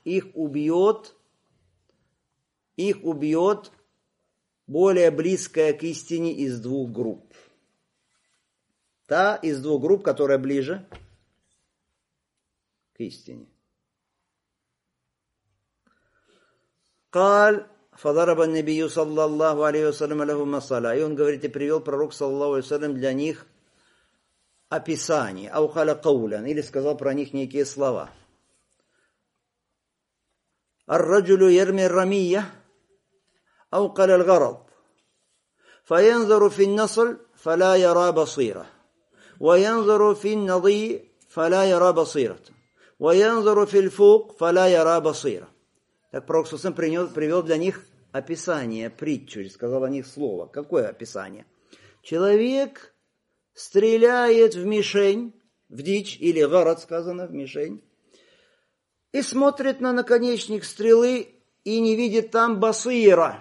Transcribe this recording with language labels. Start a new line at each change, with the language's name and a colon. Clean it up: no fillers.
Russian: Их убьет более близкая к истине из двух групп. Та из двух групп, которая ближе к истине.
Arabic: قال فضرب النبي صلى الله عليه وسلم له مثلا.
Russian: И он говорит, и привел пророк صلى الله عليه وسلم для них описание,
Arabic: أو قال قولا,
Russian: или сказал про них некие слова.
Arabic: الرجل يرمي الرمية أو قال الغرض فينظر في النصل فلا يرى بصيرة وينظر في النضي فلا يرى بصيرة وينظر في الفوق فلا يرى بصيرة.
Russian: Так пророк Саусам привел для них описание, притчу, сказал о них слово. Какое описание? Человек стреляет в мишень, в дичь, или город сказано, в мишень, и смотрит на наконечник стрелы и не видит там басыра.